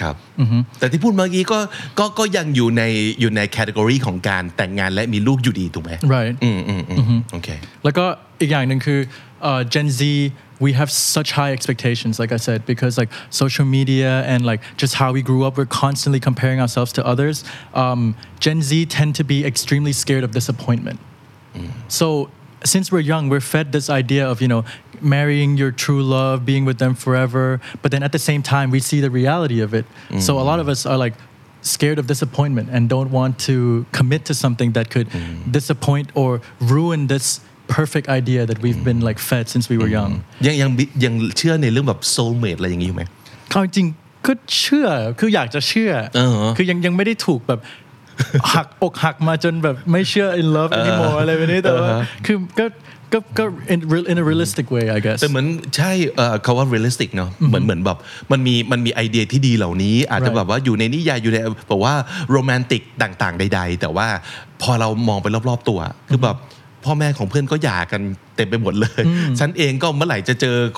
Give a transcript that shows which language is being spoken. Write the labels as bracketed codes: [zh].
[th] ครับแต่ที่พูดเมื่อกี้ก็ยังอยู่ในแคตตากรีของการแต่งงานและมีลูกอยู่ดีถูกไหม [en] right [th] โอเค แล้วก็อีกอย่างหนึ่งคือ [en] Gen Z we have such high expectations like I said because like social media and like just how we grew up we're constantly comparing ourselves to others Gen Z tend to be extremely scared of disappointment so since we're young we're fed this idea of you knowmarrying your true love being with them forever but then at the same time we see the reality of it so a lot of us are like scared of disappointment and don't want to commit to something that could disappoint or ruin this perfect idea that we've been like fed since we were young [th] ยังเชื่อในเรื่องแบบ soulmate อะไรอย่างงี้มั้ย ความจริงก็เชื่อคืออยากจะเชื่ อ คือยังไม่ได้ถูกแบบหักอกหักมาจนแบบไม่เชื่อ [en] in love anymore [th] อะไรแบบนี้แต่ว่าคือก็ [en] in a realistic way I guess [th] แต่เหมือนใช่คำว่า realistic เนาะเหมือนแบบมันมีไอเดียที่ดีเหล่านี้อาจจะแบบว่าอยู่ในนิยายอยู่ในบอกว่า romantic ต่างๆใดๆแต่ว่าพอเรามองไปรอบๆตัวคือแบบพ่อแม่ของเพื่อนก็หย่ากันเต็มไปหมดเลยฉันเองก็เมื่อไหร่จะเจอ